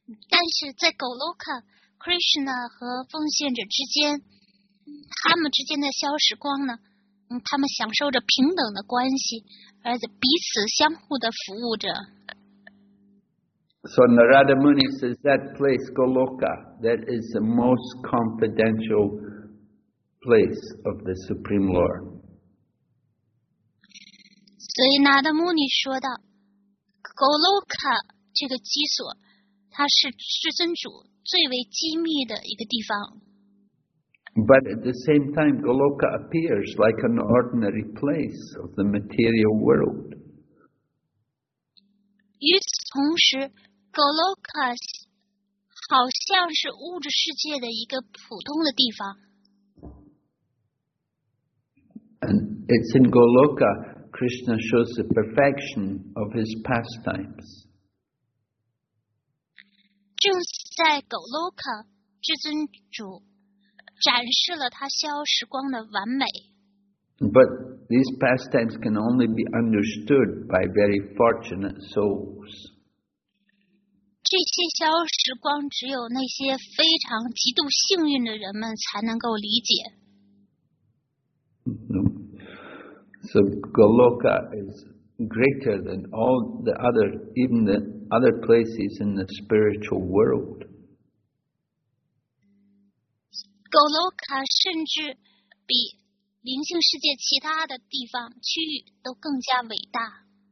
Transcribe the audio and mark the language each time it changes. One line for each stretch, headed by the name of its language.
Chinese: 但是在 Goloka, Krishna 和奉献者之间，他们之间的消时光呢，他们享受着平等的关系，而彼此相互的服务着。
English: So Narada Muni says that place, Goloka, that is the most confidential place of the Supreme Lord.
Chinese: 所以纳达穆尼说道 Goloka 这个居所它是至尊主最为机密的一个地方
English: But at the same time Goloka appears like an ordinary place of the material world
Chinese: 与此同时 Goloka 好像是物质世界的一个普通的地方
English: And it's in GolokaKrishna shows the perfection of his pastimes.
Chinese: 正在 Goloka, 至尊主展示了他消时光的完美。
English: But these pastimes can only be understood by very fortunate souls.
Chinese: 这些消时光只有那些非常极度幸运的人们才能够理解。
English: So Goloka is greater than all the other, even the other places in the spiritual world.
Chinese: Goloka 甚至比灵性世界其他的地方区域都更加伟大。